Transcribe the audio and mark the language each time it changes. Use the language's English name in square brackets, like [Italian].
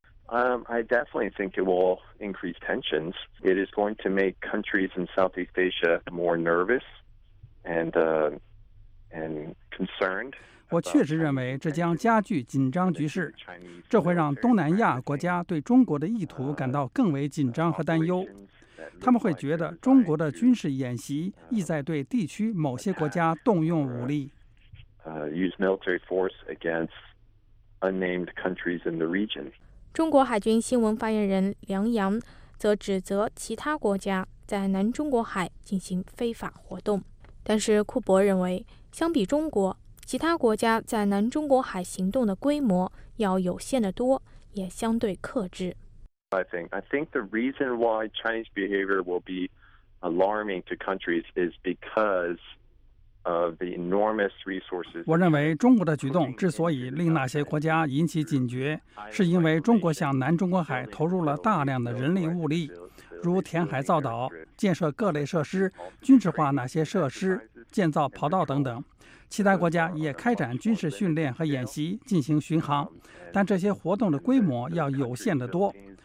[English] I definitely think it will increase tensions. It is going to make countries in Southeast Asia more nervous and concerned. [Chinese] 我确实认为这将加剧紧张局势，这会让东南亚国家对中国的意图感到更为紧张和担忧。他们会觉得中国的军事演习意在对地区某些国家动用武力。 [English] Use military force against unnamed countries in the region. [Chinese] 中国海军新闻发言人梁洋则指责其他国家在南中国海进行非法活动。但是库伯认为，相比中国，其他国家在南中国海行动的规模要有限得多，也相对克制。 [English] I think the reason why Chinese behavior will be alarming to countries is because of the enormous resources. [Chinese] 我认为中国的举动之所以令那些国家引起警觉，是因为中国向南中国海投入了大量的人力物力，如填海造岛、建设各类设施、军事化那些设施、建造跑道等等。其他国家也开展军事训练和演习进行巡航，但这些活动的规模要有限得多。